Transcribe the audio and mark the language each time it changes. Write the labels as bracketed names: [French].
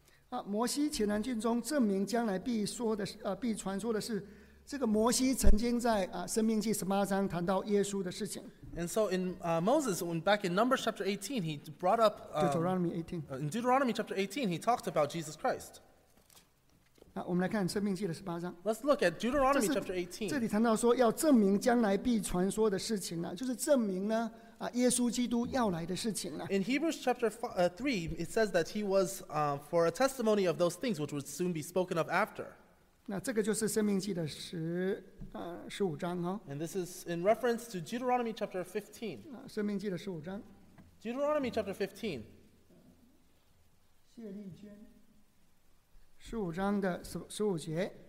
[Chinese] 啊、摩西前来敬忠，证明将来必传说的是，这个摩西曾经在啊《申命记》十八章谈到耶稣的事情。 [English] And so in Moses, when back in Numbers chapter 18, he brought up Deuteronomy 18. In Deuteronomy chapter 18, he talked about Jesus Christ. [Chinese] 啊，我们来看《申命记》的十八章。 [English] Let's look at Deuteronomy chapter 18. [Chinese] 这里谈到说要证明将来必传说的事情呢、啊，就是证明呢。耶稣基督要来的事情呢 [English] ？In Hebrews chapter 3, it says that he was for a testimony of those things which would soon be spoken of after. [Chinese] 那这个就是《申命记》的十五章哦。 [English] And this is in reference to Deuteronomy chapter 15. [Chinese] 啊，《申命记》的十五章。 [English] Deuteronomy chapter 15. [Chinese] 谢丽娟，十五章的十五节。